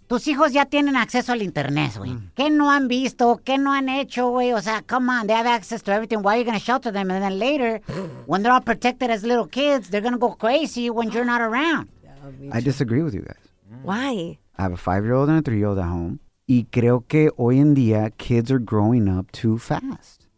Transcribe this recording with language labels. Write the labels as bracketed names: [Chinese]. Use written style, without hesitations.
[Spanish] Tus hijos ya tienen acceso al internet, güey. ¿Qué no han visto? ¿Qué no han hecho, güey? O sea, [English] come on, they have access to everything. Why are you going to shelter them? And then later, when they're all protected as little kids, they're going to go crazy when you're not around. I disagree with you guys. Why? I have a 5-year-old and a 3-year-old at home. [Spanish] Y creo que hoy en día, [English] kids are growing up too fast.